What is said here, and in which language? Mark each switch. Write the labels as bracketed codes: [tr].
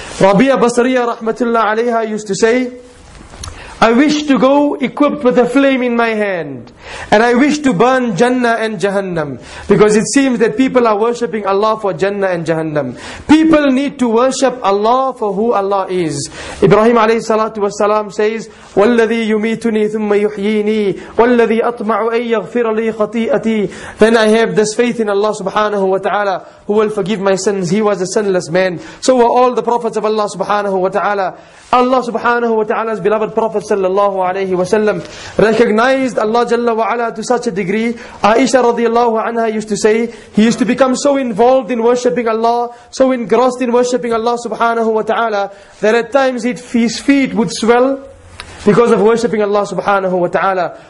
[en] Rabia Basriya rahmatullah alayha used to say, I wish to go equipped with a flame in my hand. And I wish to burn Jannah and Jahannam. Because it seems that people are worshipping Allah for Jannah and Jahannam. People need to worship Allah for who Allah is. Ibrahim alayhi salatu wasalam says, [ar] وَالَّذِي يُمِيتُنِي ثُمَّ يُحْيِينِي وَالَّذِي أَطْمَعُ أَن يَغْفِرَ لِي خَطِيئَتِي. [en] Then I have this faith in Allah subhanahu wa ta'ala who will forgive my sins. He was a sinless man. So were all the prophets of Allah subhanahu wa ta'ala. Allah subhanahu wa ta'ala's beloved Prophet sallallahu alayhi wa sallam recognized Allah jalla wa ala to such a degree. Aisha radiallahu anha used to say, he used to become so involved in worshipping Allah, so engrossed in worshipping Allah subhanahu wa ta'ala, that at times his feet would swell because of worshipping Allah subhanahu wa ta'ala.